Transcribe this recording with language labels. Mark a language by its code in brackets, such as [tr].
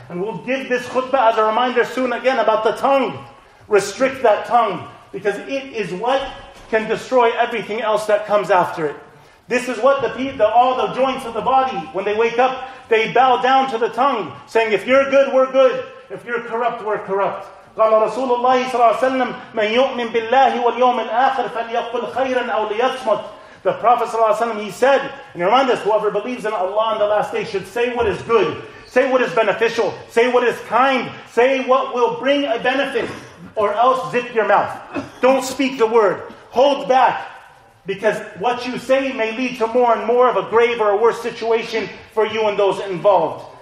[en] And we'll give this khutbah as a reminder soon again about the tongue. Restrict that tongue. Because it is what can destroy everything else that comes after it. This is what all the joints of the body, when they wake up, they bow down to the tongue, saying, if you're good, we're good. If you're corrupt, we're corrupt. [ar] قال رسول الله صلى الله عليه وسلم من يؤمن بالله واليوم الآخر فليقل خيرا أو ليصمت. [en] The Prophet صلى الله عليه وسلم, he said, and remind us, whoever believes in Allah on the last day should say what is good, say what is beneficial, say what is kind, say what will bring a benefit, or else zip your mouth. Don't speak the word. Hold back. Because what you say may lead to more and more of a grave or a worse situation for you and those involved.